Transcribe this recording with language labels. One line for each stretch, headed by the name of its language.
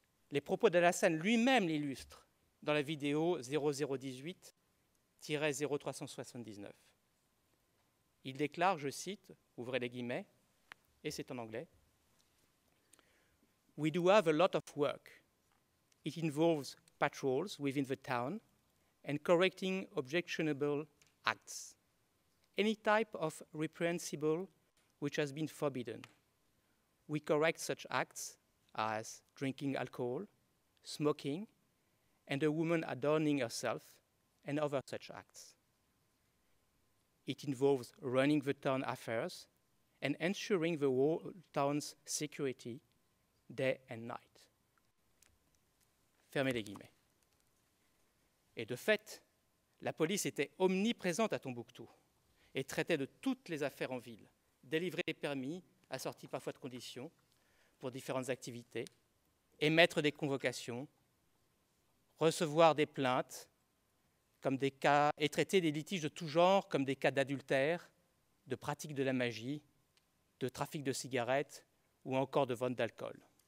French: Les propos d'Alassane lui-même l'illustrent dans la vidéo 0018-0379. Il déclare, je cite, ouvrez les guillemets, et c'est en anglais, «
English: We do have a lot of work. It involves patrols within the town and correcting objectionable acts. Any type of reprehensible which has been forbidden. We correct such acts as drinking alcohol, smoking, and a woman adorning herself, and other such acts. It involves running the town affairs and ensuring the whole town's security day and night. »
French: Fermez les guillemets. Et de fait, la police était omniprésente à Tombouctou et traitait de toutes les affaires en ville, délivrait des permis, assortis parfois de conditions pour différentes activités, émettre des convocations, recevoir des plaintes comme des cas, et traiter des litiges de tout genre comme des cas d'adultère, de pratique de la magie, de trafic de cigarettes ou encore de vente d'alcool.